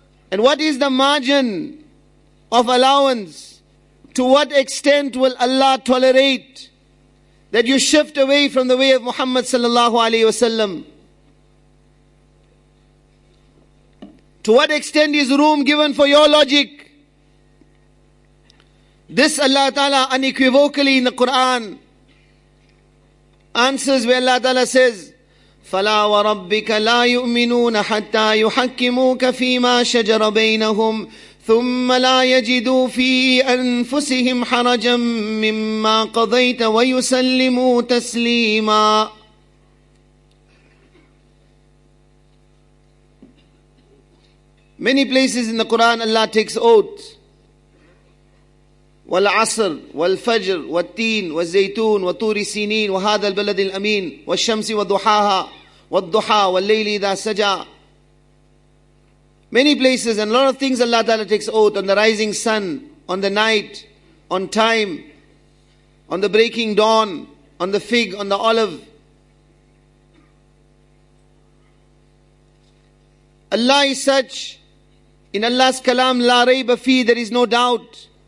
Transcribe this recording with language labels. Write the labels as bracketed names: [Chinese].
[English] And what is the margin of allowance? To what extent will Allah tolerate that you shift away from the way of Muhammad sallallahu alayhi wa sallam? To what extent is room given for your logic? This Allah Ta'ala unequivocally in the Quran answers, where Allah Ta'ala says, [Arabic] فَلَا وَرَبِّكَ لَا يُؤْمِنُونَ حَتَّى يُحَكِّمُوكَ فِي مَا شَجَرَ بَيْنَهُمْ ثُمَّ لَا يَجِدُوا فِي أَنفُسِهِمْ حَرَجًا مِمَّا قَضَيْتَ وَيُسَلِّمُوا تَسْلِيمًا. [English] Many places in the Quran Allah takes oath. [Arabic] والعصر والفجر والتين والزيتون وطور سينين وهذا البلد الأمين والشمس وضحاها والضحى والليل إذا سجى. [English] Many places and a lot of things Allah Ta'ala takes oath on the rising sun, on the night, on time, on the breaking dawn, on the fig, on the olive. Allah is such, in Allah's kalam, [Arabic] لا ريب فيه, [English] there is no doubt.